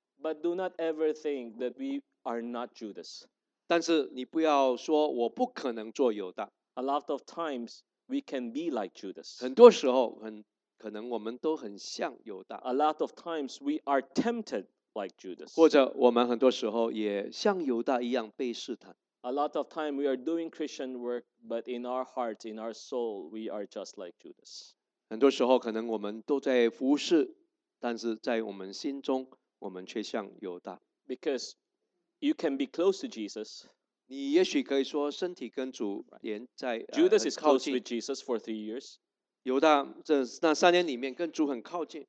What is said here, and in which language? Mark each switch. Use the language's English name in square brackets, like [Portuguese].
[English] But do not ever think that we are not Judas. [Chinese] 但是你不要说我不可能做犹大。 [English] A lot of times we can be like Judas. [Chinese] 很多时候可能我们都很像犹大。 [English] A lot of times we are tempted like Judas. [Chinese] 或者我们很多时候也像犹大一样被试探。 [English] A lot of time we are doing Christian work, but in our heart, in our soul, we are just like Judas. [Chinese] 很多时候可能我们都在服侍, 但是在我们心中, 我们却像犹大。 [English] Because you can be close to Jesus. [Chinese] 你也许可以说身体跟主连在, [English] Judas is close with Jesus for 3 years. [Chinese] 犹大这那3年里面跟主很靠近。